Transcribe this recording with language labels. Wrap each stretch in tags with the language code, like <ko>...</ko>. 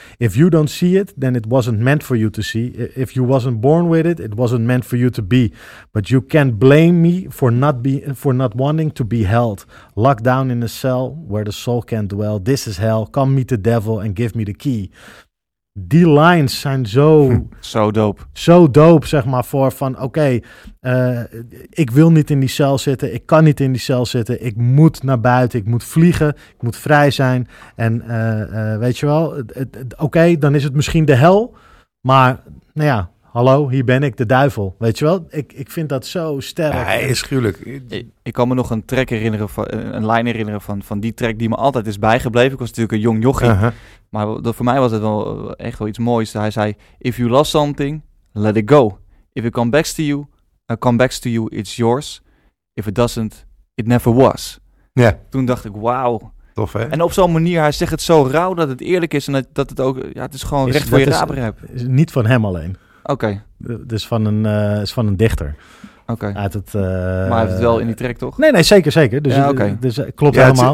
<en>If you don't see it, then it wasn't meant for you to see. If you wasn't born with it, it wasn't meant for you to be. But you can't blame me for not wanting to be held. Locked down in a cell where the soul can't dwell. This is hell. Come meet the devil and give me the key.</en> <nl>Die lines zijn zo zo dope. Zo dope, zeg maar, voor van oké, ik wil niet in die cel zitten. Ik kan niet in die cel zitten. Ik moet naar buiten. Ik moet vliegen. Ik moet vrij zijn. En weet je wel, oké, dan is het misschien de hel. Maar nou ja, hallo, hier ben ik, de duivel. Weet je wel, ik vind dat zo sterk. Hij is gruwelijk. Ik kan me nog een track herinneren, een line herinneren van die track die me altijd is bijgebleven. Ik was natuurlijk een jong jochie. Uh-huh. Maar voor mij was het wel echt wel iets moois.</nl> <en>Hij zei, if you lost something, let it go. If it comes back to you, it's yours. If it doesn't, it never was. Ja. Yeah.</en> <nl>Toen dacht ik, wauw. Tof, hè? En op zo'n manier, hij zegt het zo rauw dat het eerlijk is. En dat het ook, ja, het is gewoon recht voor je raap. Niet van hem alleen. Oké. Dus van een dichter. Oké. Okay. Uit het. Maar hij heeft het wel in die track, toch? Nee, zeker, zeker. Dus, ja, okay. Dus klopt ja, helemaal.</nl>